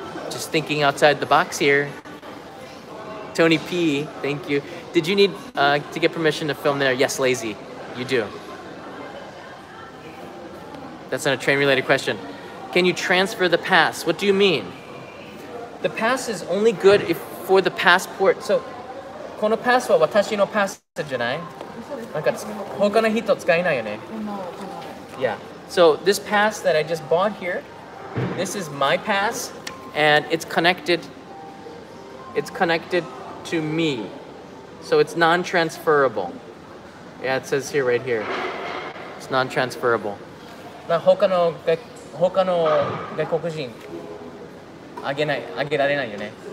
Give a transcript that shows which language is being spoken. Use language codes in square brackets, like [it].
[en] Just thinking outside the box here. Tony P, thank you. Did you need to get permission to film there? Yes, Lazy, you do. That's not a train-related question. Can you transfer the pass? What do you mean? The pass is only good if for the passport. [ja] So, このパスは私のパスじゃない？なんか他の人使えないよね。 [en] Yeah. So this pass that I just bought here, this is my pass, and it's connected. It's connected to me, so it's non-transferable. Yeah, it says here right here. It's non-transferable. [ja] な他の外国人あげられないよね。